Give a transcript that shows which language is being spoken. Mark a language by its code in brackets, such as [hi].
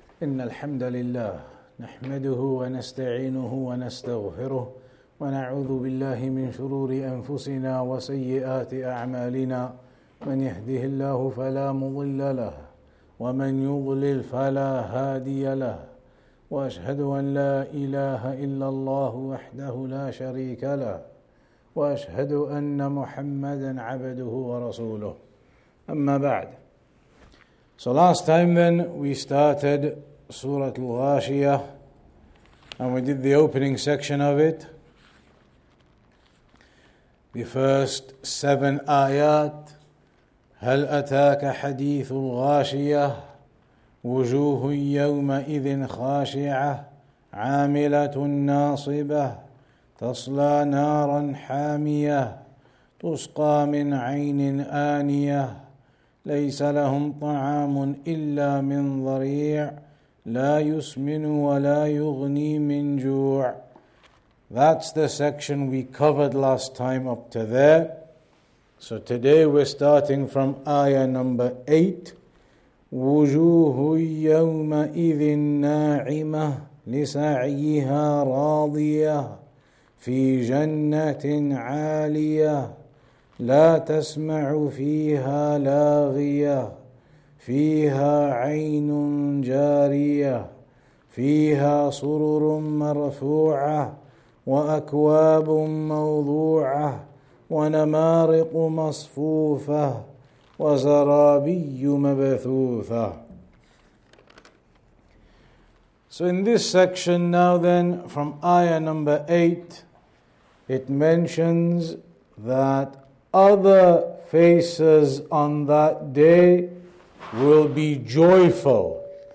[ar] إن الحمد لله نحمده ونستعينه ونستغفره ونعوذ بالله من شرور أنفسنا وسيئات أعمالنا من يهده الله فلا مضل له ومن يضلل فلا هادي له وأشهد أن لا إله إلا الله وحده لا شريك له وأشهد أن محمدا عبده ورسوله أما بعد. [en] So last time then we started Surah Al-Ghāshiyah and we did the opening section of it. The first seven ayat. [ar] هَلْ أَتَاكَ حَدِيثُ الْغَاشِيَةِ وُجُوهٌ يَوْمَئِذٍ خَاشِعَةٌ عَامِلَةٌ نَاصِبَةٌ تَصْلَى نَارًا حَامِيَةٌ تُسْقَى مِنْ عَيْنٍ آنِيَةٌ ليس لهم طعام إلا من ضريع لا يسمن ولا يغني من جوع. [en] That's the section we covered last time up to there. So today we're starting from ayah number 8. [ar] وجوه يومئذ ناعمة لسعيها راضية في جنة عالية لا تسمع فيها لاغية فيها عين جارية فيها سرر مرفوعة وأكواب موضوعة ونمارق مصفوفة وزرابي مبثوثة. [en] So in this section now then from ayah number 8 it mentions that other faces on that day will be joyful.